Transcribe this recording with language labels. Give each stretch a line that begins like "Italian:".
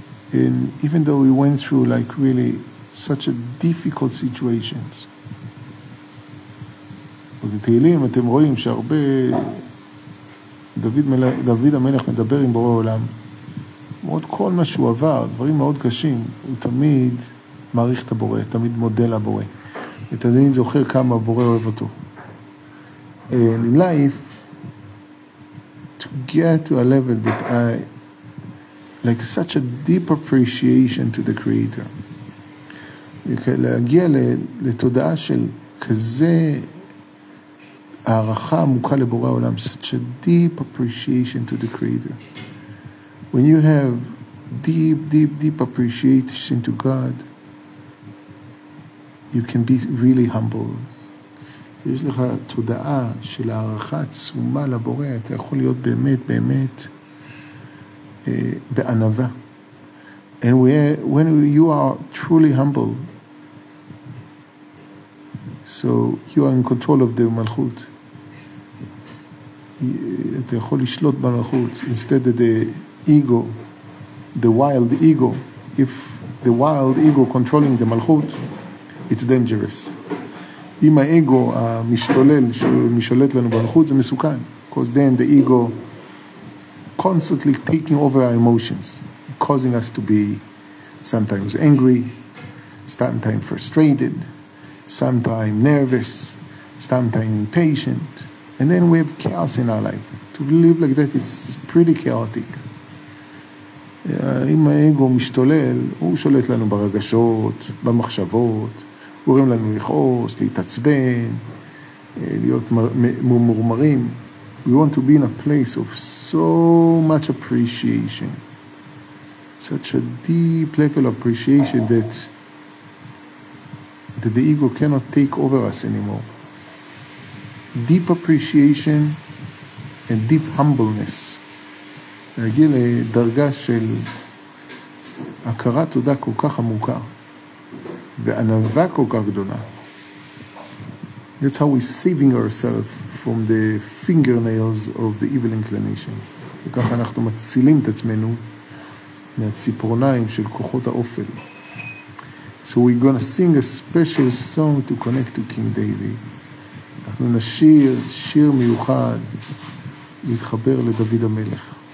English: And even though he went through like really such a difficult situations,
Hebrew: בתהילים אתם רואים שהרבה דוד המלך מדבר עם בורא עולם, למרות כל מה שהוא עבר, דברים מאוד קשים, הוא תמיד מעריך את הבורא, תמיד מודה לבורא. את הדין זוכר כמה בורא אוהב אותו.
English: And in life, to get to a level that I, like such a deep appreciation to the creator.
Hebrew: להגיע לתודעה של כזה הערכה עמוקה לבורא העולם,
English: such a deep appreciation to the creator. When you have deep, deep, deep appreciation to God, you can be really humble.
Hebrew: יש לך תודעה של הערכה עצומה לבורא, אתה יכול להיות באמת, באמת, בענווה.
English: And when you are truly humble, so you are in control of the מלכות.
Hebrew: אתה יכול לשלוט במלכות,
English: instead of the ego, the wild ego, if the wild ego controlling the מלכות, it's dangerous.
Hebrew: אם האגו המשתולל שמשולט לנו במלכות, זה מסוכן.
English: Because then the ego constantly taking over our emotions, causing us to be sometimes angry, sometimes frustrated, sometimes nervous, sometimes impatient. And then we have chaos in our life. To live like that is pretty chaotic.
Hebrew: אם האגו משתולל, הוא שולט לנו ברגשות, במחשבות, גורם לנו לכעוס, להתעצבן, להיות מורמרים.
English: We want to be in a place of so much appreciation. Such a deep level of appreciation that the ego cannot take over us anymore. Deep appreciation and deep humbleness.
Hebrew: להגיע לדרגה של הכרת תודה כל כך עמוקה וענווה כל כך גדולה.
English: That's how we're saving ourselves from the fingernails of the evil inclination.
Hebrew: וככה אנחנו מצילים את עצמנו מהציפורניים של כוחות האופל.
English: So we're gonna sing a special song to connect to King David.
Hebrew: אנחנו נשיר שיר מיוחד להתחבר לדוד המלך.